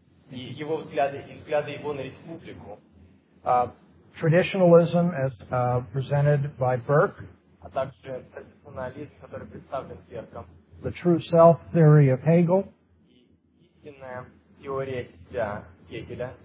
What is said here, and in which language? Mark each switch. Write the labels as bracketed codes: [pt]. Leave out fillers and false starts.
[ru] И его взгляды, и взгляды его на республику. [en] Traditionalism as presented by Burke. [ru] А также традиционализм, который представлен Берком. [en] The true self theory of Hegel, [ru] истинная теория себя Гегеля,